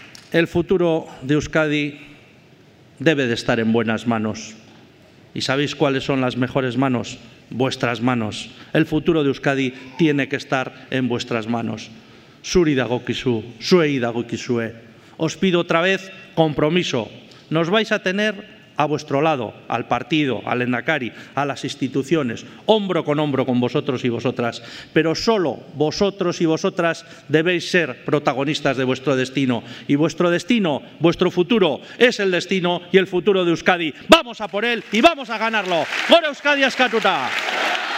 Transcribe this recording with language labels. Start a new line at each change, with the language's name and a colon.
Spanish: El futuro de Euskadi debe de estar en buenas manos. ¿Y sabéis cuáles son las mejores manos? Vuestras manos. El futuro de Euskadi tiene que estar en vuestras manos.
Basque: Zuri dagokizu, zuei dagokizue.
Spanish: Os pido otra vez compromiso. Nos vais a tener a vuestro lado, al partido, al lehendakari, a las instituciones, hombro con hombro con vosotros y vosotras. Pero solo vosotros y vosotras debéis ser protagonistas de vuestro destino. Y vuestro destino, vuestro futuro, es el destino y el futuro de Euskadi. ¡Vamos a por él y vamos a ganarlo!
Basque: ¡Gora Euskadi askatuta! ¡Gora Euskadi askatuta!